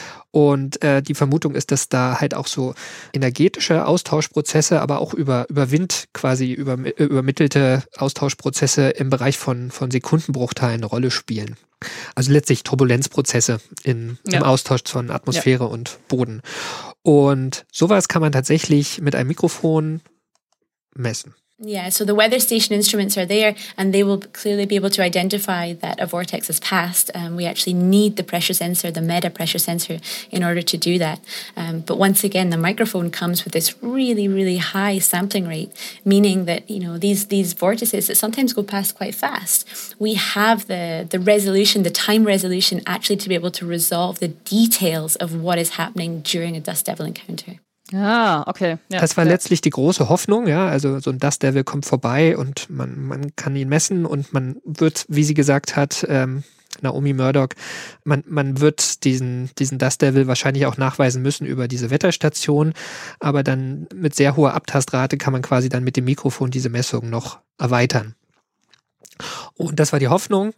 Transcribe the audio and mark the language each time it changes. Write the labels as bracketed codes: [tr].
[de] Und die Vermutung ist, dass da halt auch so energetische Austauschprozesse, aber auch über Wind quasi übermittelte Austauschprozesse im Bereich von Sekundenbruchteilen eine Rolle spielen. Also letztlich Turbulenzprozesse im Austausch von Atmosphäre und Boden. Und sowas kann man tatsächlich mit einem Mikrofon messen. [en] Yeah, so the weather station instruments are there and they will clearly be able to identify that a vortex has passed. We actually need the pressure sensor, the meta pressure sensor, in order to do that. But once again, the microphone comes with this really, really high sampling rate, meaning that, you know, these vortices that sometimes go past quite fast, we have the resolution, the time resolution, actually to be able to resolve the details of what is happening during a dust devil encounter. Ah, okay. [de] Ja, das war letztlich die große Hoffnung, ja. Also so ein Dust Devil kommt vorbei und man kann ihn messen und man wird, wie sie gesagt hat, Naomi Murdoch, man wird diesen Dust Devil wahrscheinlich auch nachweisen müssen über diese Wetterstation, aber dann mit sehr hoher Abtastrate kann man quasi dann mit dem Mikrofon diese Messung noch erweitern. Und das war die Hoffnung.